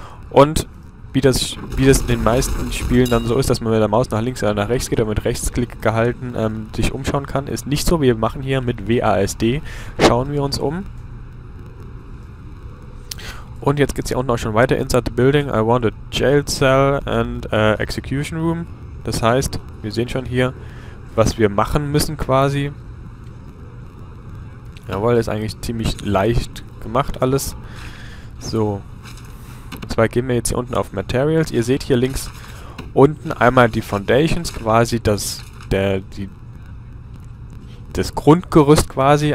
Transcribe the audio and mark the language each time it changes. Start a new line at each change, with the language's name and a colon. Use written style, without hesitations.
German: Und wie das in den meisten Spielen dann so ist, dass man mit der Maus nach links oder nach rechts geht und mit Rechtsklick gehalten sich umschauen kann, ist nicht so. Wir machen hier mit WASD, schauen wir uns um. Und jetzt geht's hier unten auch schon weiter.
English: Inside the building, I want a jail cell and a execution room.
German: Das heißt, wir sehen schon hier, was wir machen müssen quasi. Jawohl, ist eigentlich ziemlich leicht gemacht alles. So. Und zwar gehen wir jetzt hier unten auf Materials. Ihr seht hier links unten einmal die Foundations, quasi das, der, die, das Grundgerüst quasi.